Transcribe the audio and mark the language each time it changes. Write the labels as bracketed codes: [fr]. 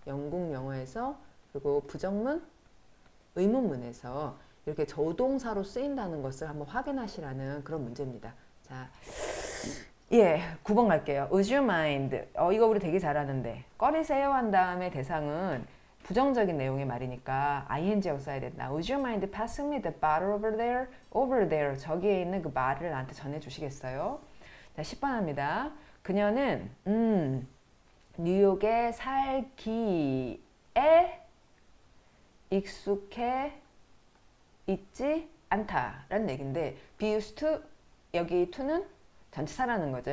[ko] 영국 영어에서 그리고 부정문 의문문에서 이렇게 조동사로 쓰인다는 것을 한번 확인하시라는 그런 문제입니다. 자, 예, 9번 갈게요. [en] Would you mind? [ko] 이거 우리 되게 잘하는데 꺼리세요 한 다음에 대상은 부정적인 내용의 말이니까 ing하고 써야 된다. [en] Would you mind passing me the bottle over there? Over there. [ko] 저기에 있는 그 말을 나한테 전해주시겠어요? 자, 10번 합니다. 그녀는 뉴욕에 살기에 익숙해 있지 않다라는 얘기인데 be used to 여기 to는 전치사라는 거죠.